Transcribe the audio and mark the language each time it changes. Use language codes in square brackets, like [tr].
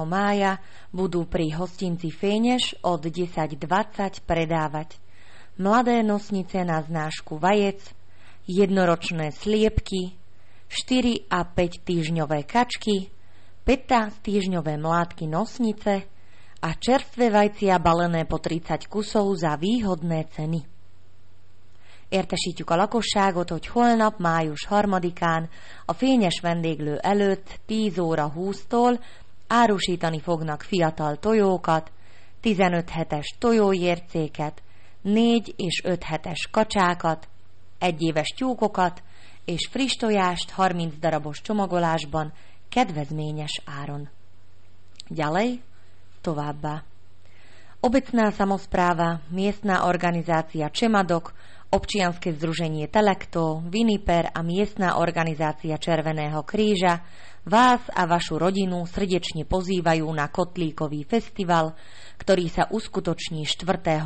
[sk] mája budú pri hostinci Feneš od 10.20 predávať mladé nosnice na znášku vajec, jednoročné sliepky, 4 a 5 týždňové kačky, 15 týždňové mládky nosnice a čerstvé vajcia balené po 30 kusov za výhodné ceny. [hu] Értesítjük a lakosságot, hogy holnap, május 3-án a fényes vendéglő előtt 10 óra 20-tól árusítani fognak fiatal tojókat, 15 hetes tojójércéket, 4 és 5 hetes kacsákat, 1 éves tyúkokat és friss tojást 30 darabos csomagolásban kedvezményes áron. Gyalej, továbbá. [sk] Obecná samospráva, miestná organizácia Čemadok, občianske združenie Telekto, Viniper a miestná organizácia Červeného kríža vás a vašu rodinu srdečne pozývajú na kotlíkový festival, ktorý sa uskutoční 4.